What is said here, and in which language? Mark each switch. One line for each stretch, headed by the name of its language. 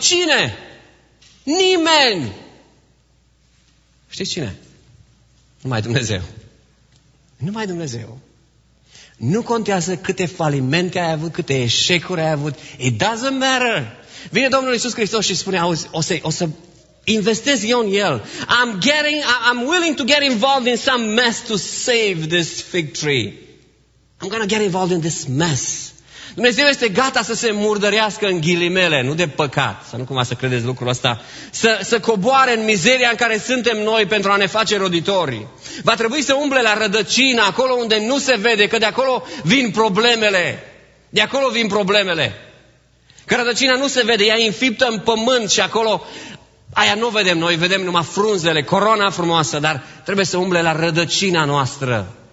Romanian: Cine? Nimeni. Știți cine? Numai Dumnezeu. Numai Dumnezeu. Nu contează câte falimente ai avut, câte eșecuri ai avut.
English: It doesn't matter.
Romanian: Vine Domnul Iisus Hristos și spune, auzi, o să investesc eu în el.
English: I'm willing to get involved in some mess to save this fig tree. I'm going to get involved in this mess.
Romanian: Dumnezeu este gata să se murdărească în ghilimele, nu de păcat, să nu cumva să credeți lucrul ăsta, să coboare în mizeria în care suntem noi pentru a ne face roditori. Va trebui să umble la rădăcină, acolo unde nu se vede, că de acolo vin problemele. De acolo vin problemele. Că rădăcina nu se vede, ea e înfiptă în pământ și acolo, aia nu vedem noi, vedem numai frunzele, corona frumoasă, dar trebuie să umble la rădăcina noastră.